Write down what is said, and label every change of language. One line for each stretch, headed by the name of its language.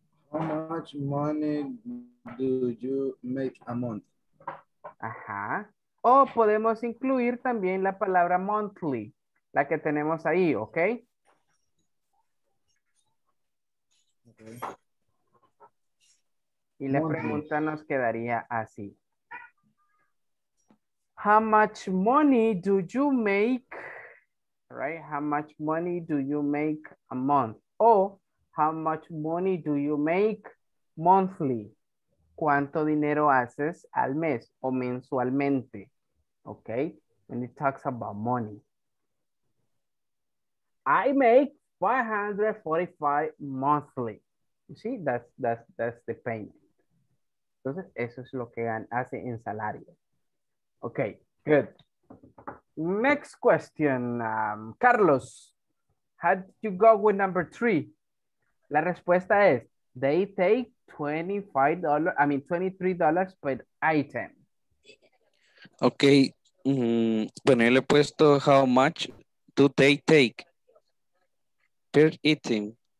English: How much money do you make a month? Ajá.
Spanish: O podemos incluir también la palabra monthly, la que tenemos ahí, ¿ok?
English: Okay.
Spanish: Y la pregunta nos quedaría así.
English: How much money do you make? Right? How much money do you make a month? Or how much money do you make monthly?
Spanish: ¿Cuánto dinero haces al mes o mensualmente? Okay?
English: When it talks about money. I make 545 monthly. You see? That's the payment.
Spanish: Entonces, eso es lo que hace en salario.
English: Ok, good. Next question. Carlos, how did you go with number three?
Spanish: La respuesta es,
English: they take $23 per item.
Spanish: Ok, bueno, yo le he puesto
English: how much do they take per item.